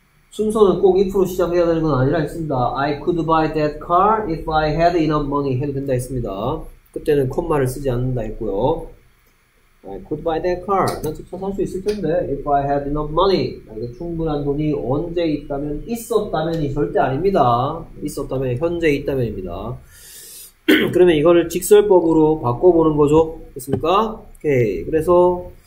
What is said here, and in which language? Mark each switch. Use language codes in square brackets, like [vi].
[ko] 순서는 꼭 if로 시작해야 되는 건 아니라 했습니다. [en] I could buy that car if I had enough money [ko] 해도 된다 했습니다. 그때는 콤마를 쓰지 않는다 했고요. [en] I could buy that car. [ko] 난 저 차 살 수 있을 텐데. [en] If I had enough money. [ko] 나에게 충분한 돈이 언제 있다면, 있었다면이 절대 아닙니다. 있었다면, 현재 있다면입니다. 그러면 이거를 직설법으로 바꿔보는 거죠. 됐습니까? 오케이. 그래서